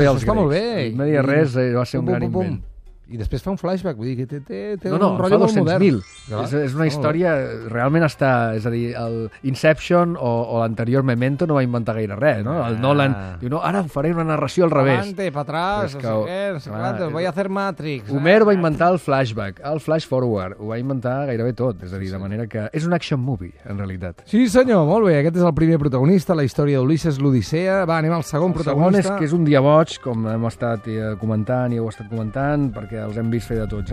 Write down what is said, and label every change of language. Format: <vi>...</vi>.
<ca>bé els grecs. Molt bé. I no diria res, va ser un gran invent. I després fa un flashback, vull dir que té un rotllo molt modern. No, fa 200.000. És una història, realment està... És a dir, el Inception o l'anterior Memento no va inventar gaire res, no? El Nolan diu, no, ara faré una narració al revés.</ca> <es>Avante, pa atrás, voy a hacer Matrix.</es> <ca>Homer va inventar el flashback, el flash forward, ho va inventar gairebé tot, és a dir, sí. De manera que és un</ca> <en>action movie,</en> <ca>en realitat. Sí, senyor, molt bé, aquest és el primer protagonista, la història d'Ulisses, l'Odissea. Va, anem al segon protagonista. El segon és que és un dia boig, com hem estat comentant i heu estat comentant, que els hem vist fer de tots.</ca>